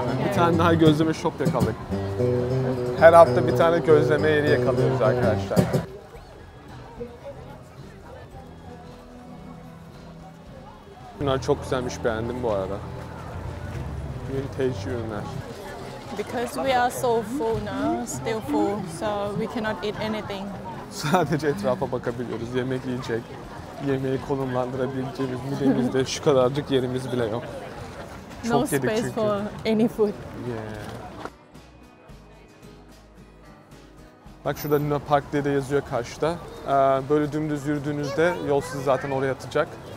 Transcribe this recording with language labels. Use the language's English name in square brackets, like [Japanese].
[Turkish] Okay. Bir tane daha gözleme shop yakaladık. Her hafta bir tane gözleme yeri yakalıyoruz arkadaşlar. Bunlar çok güzelmiş, beğendim bu arada. Vintage ürünler. [English] Because we are so full now, still full, so we cannot eat anything. [Turkish] Sadece etrafa bakabiliyoruz, yemek yiyecek, yemeği konumlandırabileceğimiz midemizde şu kadarcık yerimiz bile yok. Çok [English] no space [Turkish] çünkü [English] for any food. Yeah. [Turkish] Bak şurada Luna Park diye de yazıyor karşıda. Böyle dümdüz yürüdüğünüzde yol sizi zaten oraya atacak.